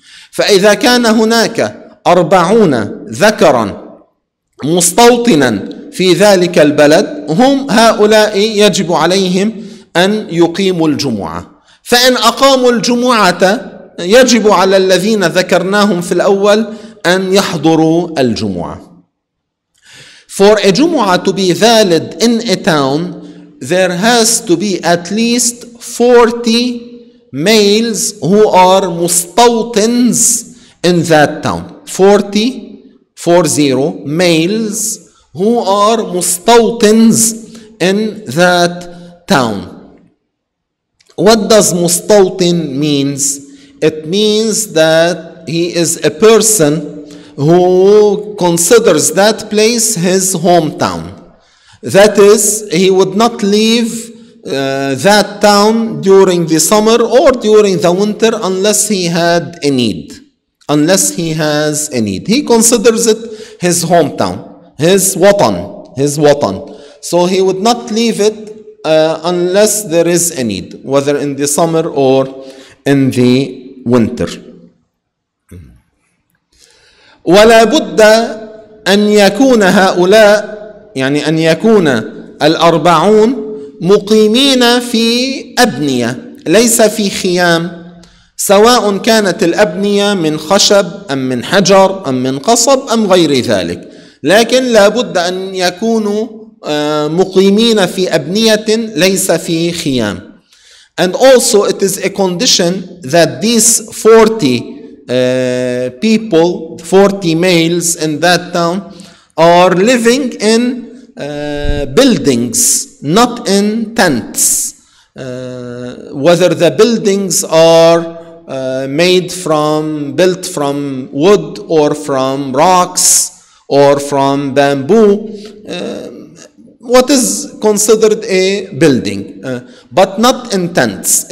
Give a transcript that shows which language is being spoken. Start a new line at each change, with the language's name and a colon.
Arabic: فإذا كان هناك 40 ذكرا مستوطنا في ذلك البلد، هم هؤلاء يجب عليهم أن يقيموا الجمعة. فإن أقاموا الجمعة يجب على الذين ذكرناهم في الأول أن يحضروا الجمعة.
English: For a Jumu'ah to be valid in a town, there has to be at least 40 males who are مستوطنز in that town. 40 males who are مستوطنز in that town. What does مستوطن means? It means that he is a person who considers that place his hometown. That is, he would not leave that town during the summer or during the winter unless he had a need. Unless he has a need. He considers it his hometown, his watan, his watan. So he would not leave it unless there is a need, whether in the summer or in the winter.
Arabic: ولا بد أن يكون هؤلاء، يعني أن يكون الأربعون مقيمين في أبنية ليس في خيام، سواء كانت الأبنية من خشب أم من حجر أم من قصب أم غير ذلك، لكن لابد أن يكونوا مقيمين في أبنية ليس في خيام.
English: And also it is a condition that these 40 people, 40 males in that town are living in buildings, not in tents. Whether the buildings are built from wood or from rocks or from bamboo, what is considered a building, but not in tents.